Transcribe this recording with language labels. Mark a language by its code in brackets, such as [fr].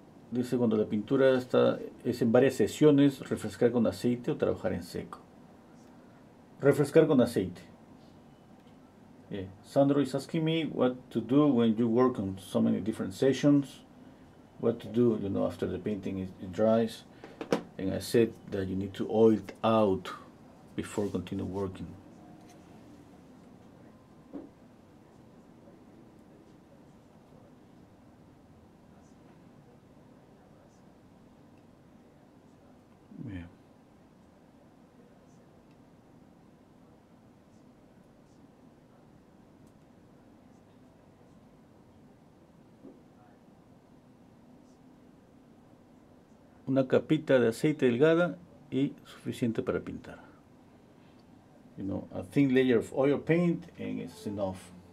[es] Dice cuando la pintura está, es en varias sesiones, refrescar con aceite o trabajar en seco. Refrescar con aceite. Yeah. [en] Sandro is asking me what to do when you work on so many different sessions. What to do, you know, after the painting it dries. And I said that you need to oil it out before continue working. [es] Una capita de aceite delgada y suficiente para pintar. [en] You know, a thin layer of oil paint and it's enough.